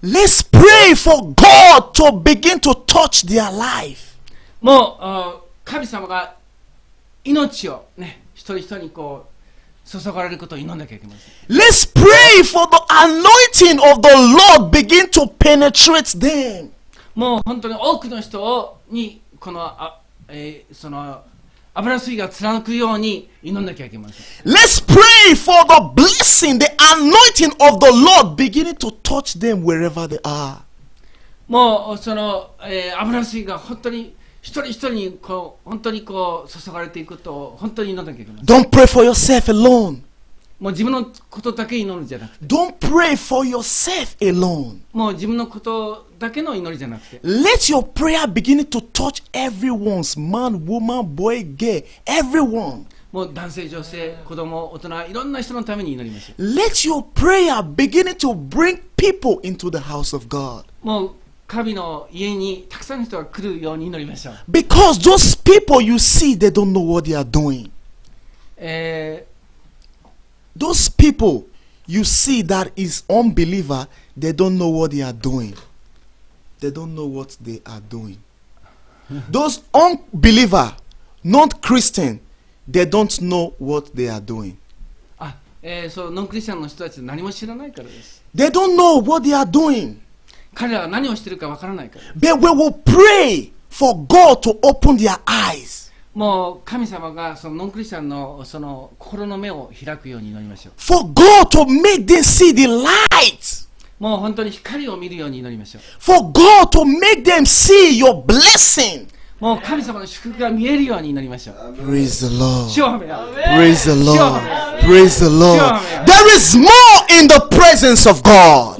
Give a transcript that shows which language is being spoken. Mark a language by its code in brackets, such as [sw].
[en] Let's pray for God to begin to touch their life. [ja] もう神様が命をね一人一人にこう注がれることを祈んなきゃいけません。 [en] Let's pray for the anointing of the Lord begin to penetrate them. [ja] もう本当に多くの人にこのその油注ぎが貫くように祈んなきゃいけません。 [en] Let's pray for the blessing, the anointing of the Lord beginning to touch them wherever they are. [ja] もうその油注ぎが本当に一人一人にこう本当にこう注がれていくことを本当に祈んなきゃいけません。 [en] Don't pray for yourself alone. [ja] もう自分のことだけ祈るんじゃなくて。 [en] Don't pray for yourself alone. [ja] もう自分のことだけの祈りじゃなくて。 [en] Let your prayer begin to touch everyone's man, woman, boy, gay, everyone. [ja] もう男性、女性、子供、大人、いろんな人のために祈りましょう。 [en] Let your prayer begin to bring people into the house of God. [ja] もう神の家にたくさんの人が来るように祈りましょう。 [en] Because those people you see, they don't know what they are doing. Those people you see that is unbeliever, they don't know what they are doing. They don't know what they are doing. Those unbeliever, not Christian, they don't know what they are doing. [ja] そう、ノンクリスチャンの人たち何も知らないからです。 [en] They don't know what they are doing. [ja] 彼らは何をしているかわからないから。 [en] But we will pray for God to open their eyes. [ja] もう神様がそのノンクリスチャンのその心の目を開くように祈りましょう。 [en] For God to make them see the light. [ja] もう本当に光を見るように祈りましょう。 [en] For God to make them see your blessing. [ja] もう神様の祝福が見えるように祈りましょう。 [en] Praise the Lord. [ja] 主を褒めよう。 [en] Praise the Lord. Praise the Lord. There is more in the presence of God.